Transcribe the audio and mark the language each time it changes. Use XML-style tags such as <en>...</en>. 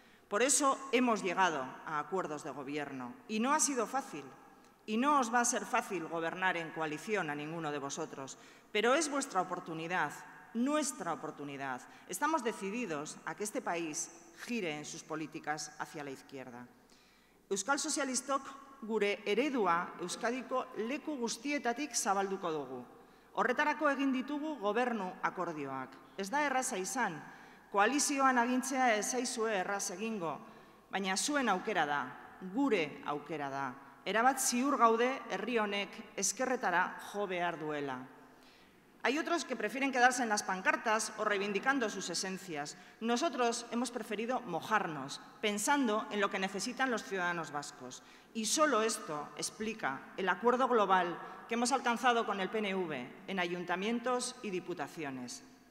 <es>Por eso hemos llegado a acuerdos de gobierno. Y no ha sido fácil. Y no os va a ser fácil gobernar en coalición a ninguno de vosotros. Pero es vuestra oportunidad, nuestra oportunidad. Estamos decididos a que este país gire en sus políticas hacia la izquierda.</es> <eu>Euskal Sozialistok gure eredua Euskadiko leku guztietatik zabalduko dugu. Horretarako egin ditugu gobernu akordioak. Ez da erraza izan, koalizioan agintzea ez zaizue erraz egingo, baina zuen aukera da, gure aukera da. Erabat ziur gaude herri honek ezkerretara jo behar duela.</eu> <es>Hay otros que prefieren quedarse en las pancartas o reivindicando sus esencias. Nosotros hemos preferido mojarnos, pensando en lo que necesitan los ciudadanos vascos. Y solo esto explica el acuerdo global que hemos alcanzado con el PNV en ayuntamientos y diputaciones.</es>